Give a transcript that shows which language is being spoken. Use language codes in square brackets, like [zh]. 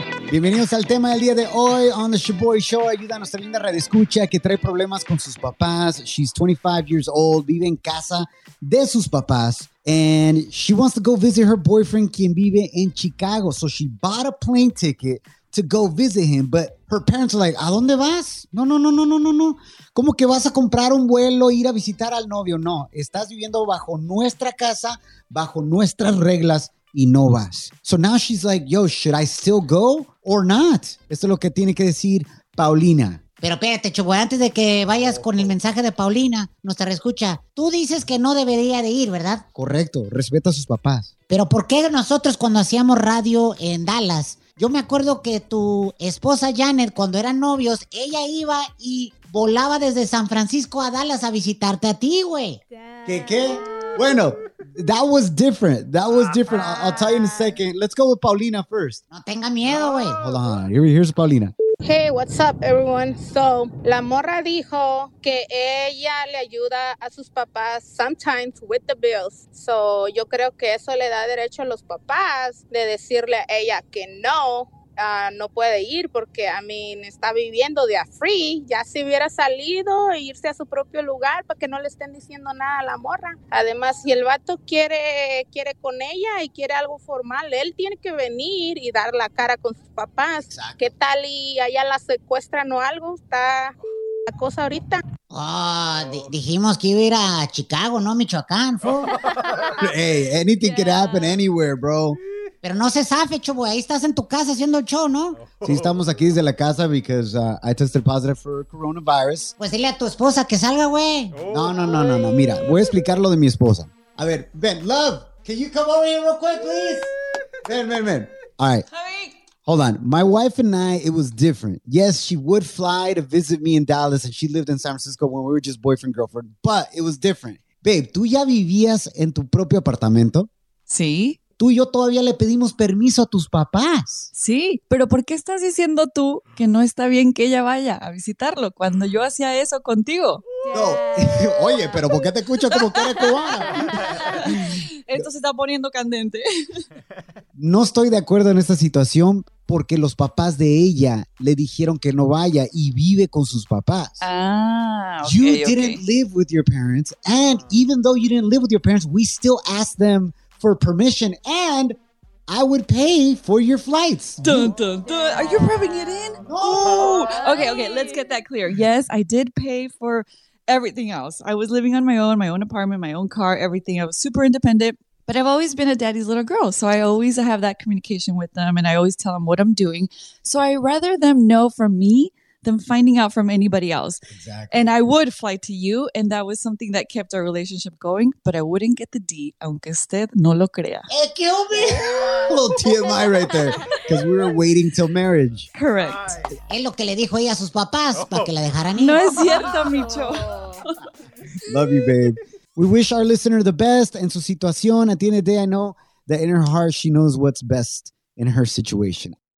[es] Bienvenidos al tema del día de hoy [en] on the Shaboy Show. [es] Ayúdanos también de redescucha que trae problemas con sus papás. [en] She's 25 years old, [es] vive en casa de sus papás. [en] And she wants to go visit her boyfriend, [es] quien vive en Chicago. [en] So she bought a plane ticket to go visit him. But her parents are like, [es] ¿a dónde vas? No, no, no, no, no, no, no. ¿Cómo que vas a comprar un vuelo, ir a visitar al novio? No, estás viviendo bajo nuestra casa, bajo nuestras reglas, y no vas. [en] So now she's like, yo, should I still go or not? [es] Esto es lo que tiene que decir Paulina. Pero espérate, Chubo, antes de que vayas con el mensaje de Paulina, nuestra reescucha, tú dices que no debería de ir, ¿verdad? Correcto, respeta a sus papás. Pero ¿por qué nosotros cuando hacíamos radio en Dallas? Yo me acuerdo que tu esposa Janet, cuando eran novios, ella iba y volaba desde San Francisco a Dallas a visitarte a ti, güey. ¿Qué, qué? [en] Bueno, that was different. That was different. I'll tell you in a second. Let's go with Paulina first. [es] No tenga miedo, güey. [en] Hold on. Here's Paulina. Hey, what's up, everyone? [es] So, la morra dijo que ella le ayuda a sus papás [en] sometimes with the bills. [es] So, yo creo que eso le da derecho a los papás de decirle a ella que no, no puede ir porque, [en] I mean, [es] está viviendo de a free. Ya si hubiera salido e irse a su propio lugar para que no le estén diciendo nada a la morra. Además, si el vato quiere con ella y quiere algo formal, él tiene que venir y dar la cara con sus papás. Exacto. ¿Qué tal y allá la secuestran o algo? Está la cosa ahorita. Dijimos que iba a ir a Chicago, no a Michoacán. [en] Hey, anything yeah. could happen anywhere, bro. [es] Pero no se zafe, Chubo. Ahí estás en tu casa haciendo el show, ¿no? Sí, estamos aquí desde la casa [en] because I tested positive for coronavirus. [es] Pues dile a tu esposa que salga, güey. No. Mira, voy a explicar lo de mi esposa. A ver, ven, [en] love, can you come over here real quick, please? Ven. All right. Hold on. My wife and I, it was different. Yes, she would fly to visit me in Dallas and she lived in San Francisco when we were just boyfriend, girlfriend. But it was different. [es] Babe, ¿tú ya vivías en tu propio apartamento? Sí. Tú y yo todavía le pedimos permiso a tus papás. Sí, pero ¿por qué estás diciendo tú que no está bien que ella vaya a visitarlo cuando yo hacía eso contigo? No, oye, pero ¿por qué te escucho como que eres cubana? Esto se está poniendo candente. No estoy de acuerdo en esta situación porque los papás de ella le dijeron que no vaya y vive con sus papás. Ah, okay. [en] You didn't live with your parents, and even though you didn't live with your parents, we still asked them for permission, and I would pay for your flights. Dun, dun, dun. Are you rubbing it in? No. Okay, let's get that clear. Yes, I did pay for everything else. I was living on my own apartment, my own car, everything. I was super independent, but I've always been a daddy's little girl, so I always have that communication with them, and I always tell them what I'm doing. So I rather them know from me than finding out from anybody else. Exactly. And I would fly to you, and that was something that kept our relationship going, but I wouldn't get the D, [es] aunque usted no lo crea. ¡Eh, qué hombre! [en] A little TMI right there, because we were waiting till marriage. Correct. [es] Es lo que le dijo ella a sus papás, para que la dejaran ir. No es cierto, Micho. [en] Love you, babe. We wish our listener the best [es] en su situación. [en] At the end of the day, I know that in her heart, she knows what's best in her situation.